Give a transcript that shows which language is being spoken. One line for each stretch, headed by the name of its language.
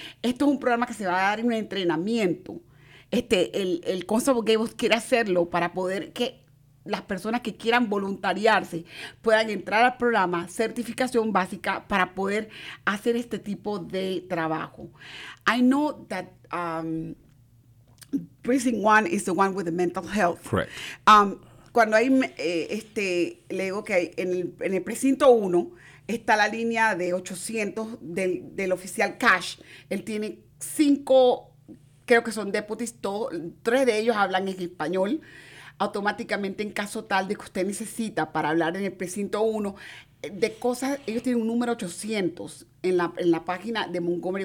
Spanish: Esto es un programa que se va a dar en un entrenamiento. El Constable Gables quiere hacerlo para poder que las personas que quieran voluntariarse puedan entrar al programa certificación básica para poder hacer este tipo de trabajo.
English: I know that Precinct 1 is the one with the mental health. Correct.
Spanish: Cuando hay, le digo que hay en el precinto 1 está la línea de 800 del oficial Cash. Él tiene 5, creo que son deputies, 3 de ellos hablan en español. Automáticamente, en caso tal de que usted necesita para hablar en el precinto 1, de cosas, ellos tienen un número 800 en la página de Montgomery.